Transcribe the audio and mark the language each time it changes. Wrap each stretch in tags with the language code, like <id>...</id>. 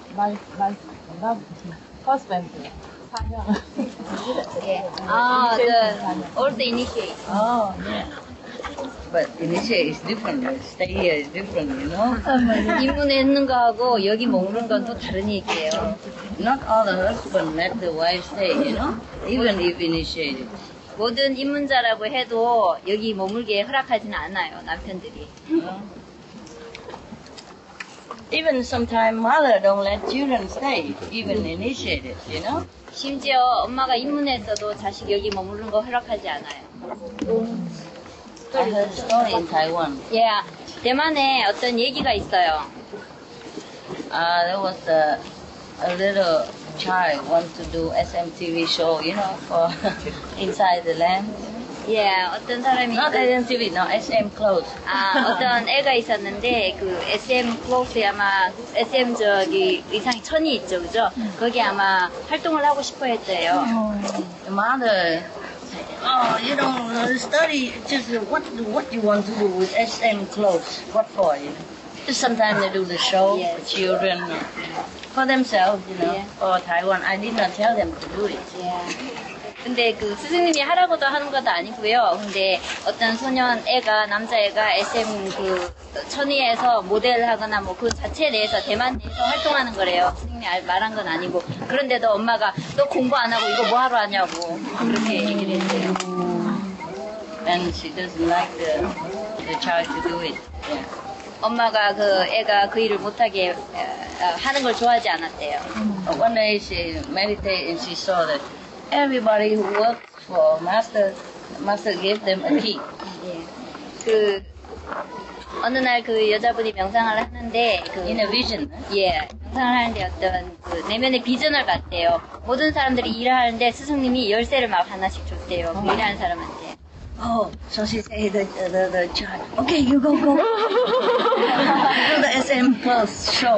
<en>My husband.</en> <ko>사냥.</ko> <en>아, the old initiate. Oh, yeah. But initiate is different. Stay here is different, you know?</en> <ko>입문에 있는 거하고 여기 머무는 건 또 다른 얘기예요.</ko> <en>Not all the husband let the wife stay, you know? Even if initiated.</en> <ko>모든 입문자라고 해도 여기 머물게 허락하진 않아요, 남편들이.</ko> <en>Even sometimes mother don't let children stay, even initiated, you know?</en> <ko>심지어 엄마가 입문했어도 자식 여기 머무는 거 허락하지 않아요.</ko> <en>I heard a story in Taiwan.</en> <ko>Yeah, 대만에 어떤 얘기가 있어요.</ko> <en>There was a little child want to do SMTV show, you know, for inside the land.</en> <ko>Yeah, 어떤 사람이</ko> <en>not SMTV, no SM clothes.</en> <ko>아, 어떤 애가 있었는데 그 SM clothes 아마 SM 저기 의상 천이 있죠, 그죠? 거기 아마 활동을 하고 싶어 했대요.</ko> <en>The mother. Oh, you know, study just what you want to do with SM clothes. What for, you know? Just sometimes they do the show for children, for themselves, you know, for Taiwan. I did not tell them to do it. Yeah.</en> <ko>근데 그 스승님이 하라고도 하는 것도 아니고요. 근데 어떤 소년 애가 남자애가 SM 그 천의에서 모델하거나 뭐 그 자체 내에서 대만 내에서 활동하는 거래요. 스승님이 말한 건 아니고 그런데도 엄마가 너 공부 안 하고 이거 뭐 하러 하냐고 그렇게 얘기를 했어요.</ko> <en>And she doesn't like the child to do it. Yeah.</en> <ko>엄마가 그 애가 그 일을 못하게 하는 걸 좋아하지 않았대요.</ko> <en>One day she meditated and she saw that. Everybody who works for master gave them a key.</en> <ko>그 어느 날 그 여자분이 명상을 하는데 그</ko> <en>in a vision.</en> <ko>예, 명상을 하는데 어떤 그 내면의 비전을 봤대요. 모든 사람들이 일하는데 스승님이 열쇠를 막 하나씩 줬대요. 그 일하는 사람한테.</ko> <en>Oh, so she said the child. Okay, you go. Do the SM plus show.</en>